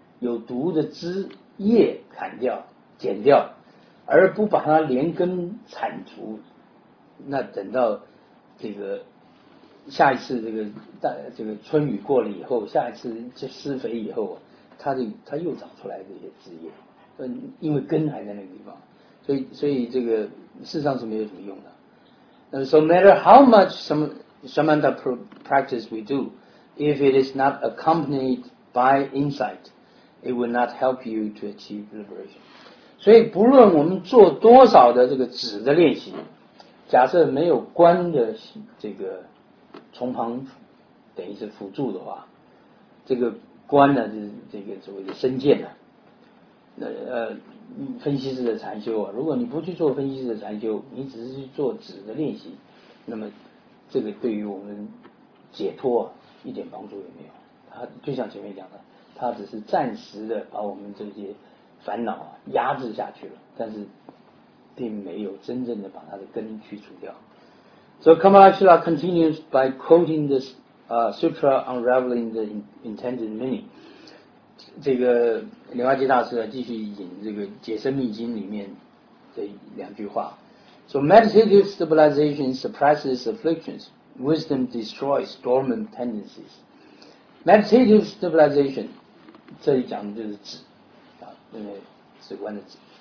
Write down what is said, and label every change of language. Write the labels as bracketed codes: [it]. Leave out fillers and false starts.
[zh] 有毒的枝叶砍掉剪掉，而不把它连根铲除，那等到这个下一次这个春雨过了以后，下一次就施肥以后，它又长出来这些枝叶，因为根还在那个地方，所以这个事实上是没有什么用的。 [en] So matter how much shamanic practice we do, if it is not accompanied by insight, it will not help you to achieve liberation. [zh] 所以不论我们做多少的这个止的练习，假设没有观的这个从旁等于是辅助的话，这个观呢，就是这个所谓的身见呢，分析式的禅修啊，如果你不去做分析式的禅修，你只是去做止的练习，那么这个对于我们解脱啊一点帮助也没有。它就像前面讲的，它只是暂时的把我们这些烦恼啊压制下去了，但是并没有真正的把它的根去除掉。 [en] So Kamalashila continues by quoting this sutra unraveling the intended meaning. [zh] 这个莲花界大师继续引这个解深密经里面的两句话。 [en] So meditative stabilization suppresses afflictions. Wisdom destroys dormant tendencies. Meditative stabilization, [zh] 这里讲的就是止，因为止观的止。